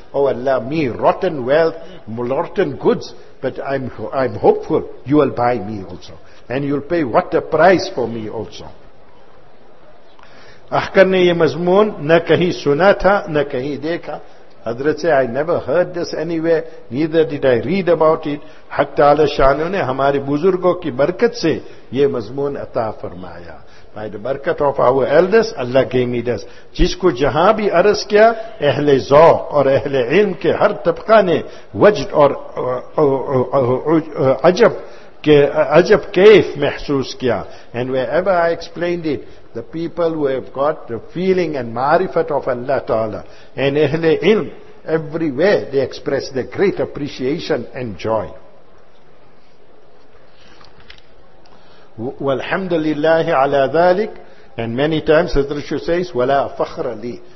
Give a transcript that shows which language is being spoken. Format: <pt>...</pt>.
<en>Oh Allah, me rotten wealth, rotten goods, but I'm hopeful you will buy me also. And you'll pay what a price for me also.</en> <ur>Ahkar ne ye mazmoon na kahi suna tha, na kahi dekha. حضرت سے</ur> <en>I never heard this anywhere, neither did I read about it.</en> <ur>حق تعالی شانہ نے ہمارے بزرگوں کی برکت سے یہ مضمون عطا فرمایا.</ur> <en>By the برکت of our elders, Allah gave me this.</en> <ur>جس کو جہاں بھی عرض کیا, اہل ذوق اور اہل علم کے ہر طبقہ نے وجد اور عجب کے عجب کیف محسوس کیا.</ur> <en>And wherever I explained it, the people who have got the feeling and marifat of Allah Ta'ala and Ahle Ilm, everywhere they express their great appreciation and joy.</en> <ar>Walhamdulillahi ala dhalik.</ar> <en>And many times Hazrat Shu says,</en> <ar>wala fakhra li.</ar>